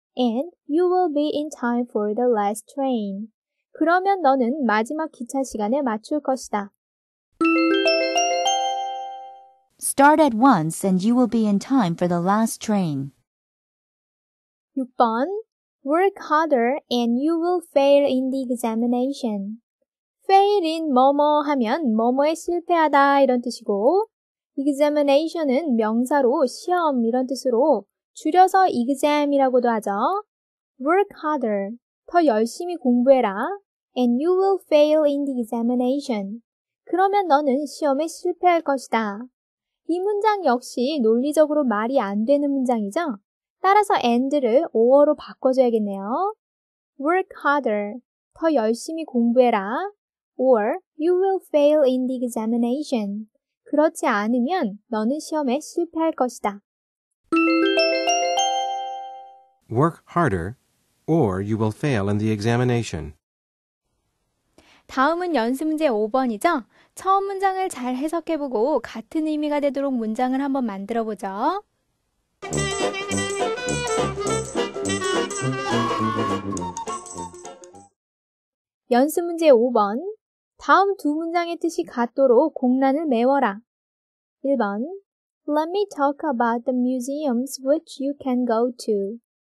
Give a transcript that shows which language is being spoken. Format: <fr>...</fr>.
<en>And you will be in time for the last train.</en> <ko>그러면 너는 마지막 기차 시간에 맞출 것이다.</ko> <en>Start at once and you will be in time for the last train. 6번 Work harder and you will fail in the examination.</en> <ko>Fail in 뭐뭐 하면 뭐뭐에 실패하다 이런 뜻이고 examination은 명사로 시험 이런 뜻으로 줄여서 exam이라고도 하죠.</ko> <en>Work harder,</en> <ko>더 열심히 공부해라.</ko> <en>And you will fail in the examination.</en> <ko>그러면 너는 시험에 실패할 것이다. 이 문장 역시 논리적으로 말이 안 되는 문장이죠. 따라서 and를 or로 바꿔줘야겠네요.</ko> <en>Work harder,</en> <ko>더 열심히 공부해라.</ko> <en>Or you will fail in the examination.</en> <ko>그렇지 않으면 너는 시험에 실패할 것이다.</ko> <en>Work harder, or you will fail in the examination.</en> <ko>다음은 연습문제 5번이죠? 처음 문장을 잘 해석해보고 같은 의미가 되도록 문장을 한번 만들어보죠. 연습문제 5번 다음 두 문장의 뜻이 같도록 공란을 메워라.</ko> <en>1번 Let me talk about the museums which you can go to.</en>